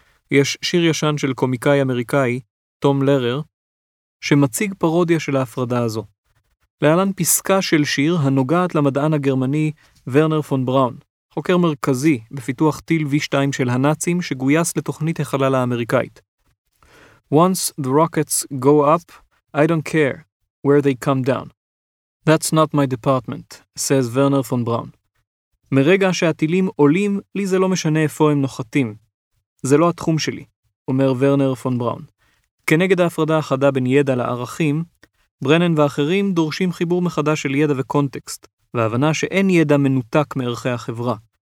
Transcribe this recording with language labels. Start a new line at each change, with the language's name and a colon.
Hebrew: יש שיר ישן של קומיקאי אמריקאי, תום לרר, שמציג פרודיה של ההפרדה הזו. להלן פסקה של שיר הנוגעת למדען הגרמני ורנר פון בראון, חוקר מרכזי בפיתוח טיל V2 של הנאצים שגויס לתוכנית החלל האמריקאית.
English: Once the rockets go up, I don't care where they come down. That's not my department, says Werner von Braun.
Hebrew: מרגע שהטילים עולים, לי זה לא משנה איפה הם נוחתים. זה לא התחום שלי, אומר Werner von Braun. כנגד ההפרדה החדה בין ידע לערכים, ברנן ואחרים דורשים חיבור מחדש של ידע וקונטקסט, והבנה שאין ידע מנותק מערכי החברה.